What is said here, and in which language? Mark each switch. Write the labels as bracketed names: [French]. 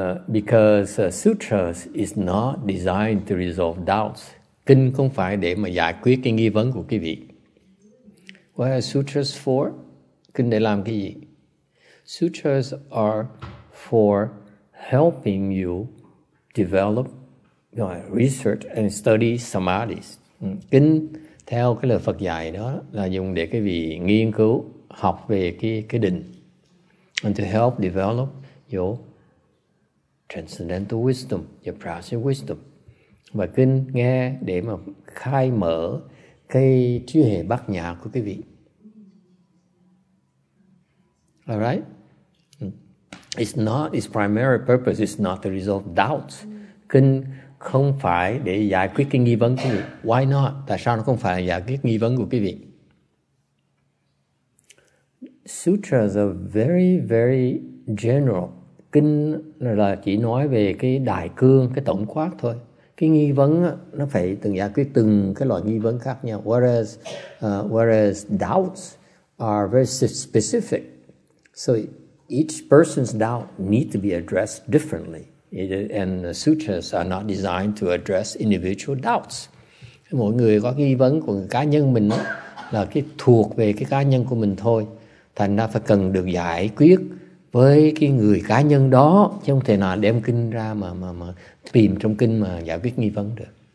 [English] Because sutras is not designed to resolve doubts. [Vietnamese] Kinh không phải để mà giải quyết cái nghi vấn của quý vị. [English] What are sutras for? [Vietnamese] Kinh để làm cái gì? [English] Sutras are for helping you develop, research and study samadhis. [Vietnamese] Kinh theo cái lời Phật dạy đó là dùng để cái vị nghiên cứu học về cái định, [English] and to help develop your transcendental wisdom, your practical wisdom. [Vietnamese] Và kinh nghe để mà khai mở cái trí huệ bát nhã của cái vị. [English] All right? It's not its primary purpose is not to resolve doubts. [Vietnamese] Không không phải để giải quyết cái nghi vấn của quý vị. [English] Why not? [Vietnamese] Tại sao nó không phải là giải quyết nghi vấn của quý vị? [English] Sutras are very very general. [Vietnamese] Kinh là chỉ nói về cái đại cương, cái tổng quát thôi. Cái nghi vấn nó phải từng giải quyết từng cái loại nghi vấn khác nhau. [English] Whereas doubts are very specific. So each person's doubt need to be addressed differently. And the sutras are not designed to address individual doubts. [Vietnamese] Mỗi người có nghi vấn của cá nhân mình đó, là cái thuộc về cái cá nhân của mình thôi. Thành ra phải cần được giải quyết với cái người cá nhân đó, chứ không thể nào đem kinh ra mà tìm trong kinh mà giải quyết nghi vấn được.